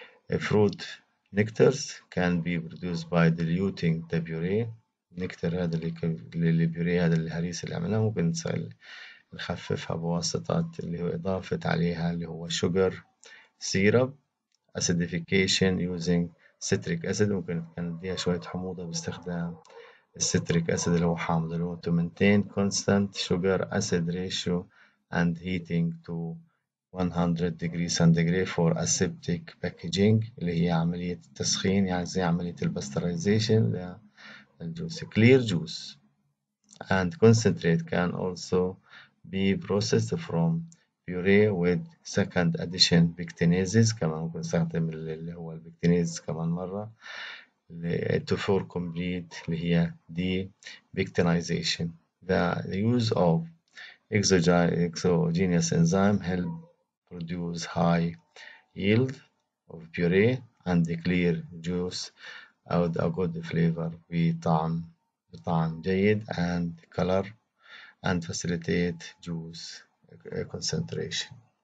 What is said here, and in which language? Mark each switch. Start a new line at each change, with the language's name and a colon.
English: A fruit nectars can be produced by diluting the puree
Arabic: نكتر هذا اللي بيري هذا الهريسة اللي عملناه، ممكن نخففها بواسطة اللي هو إضافة عليها اللي هو شوجر سيرب أسيدفيكيشن يوزنج سيتريك أسيد. ممكن نديها شوية حموضة باستخدام السيتريك أسيد اللي هو حامض، اللي هو
English: to maintain constant sugar acid ratio and heating to 100 degree centigrade for aseptic packaging
Arabic: اللي هي عملية التسخين، يعني زي عملية الباستريزيشن للجوس.
English: clear juice and concentrate can also be processed from puree with second addition pectinases.
Arabic: كمان ممكن نستخدم اللي هو البكتينيز كمان مرة
English: to for complete
Arabic: اللي هي دي بكتينيزيشن.
English: the use of exogenous enzyme help produce high yield of puree and clear juice out a good flavor
Arabic: بطعم جيد
English: and color and facilitate juice concentration.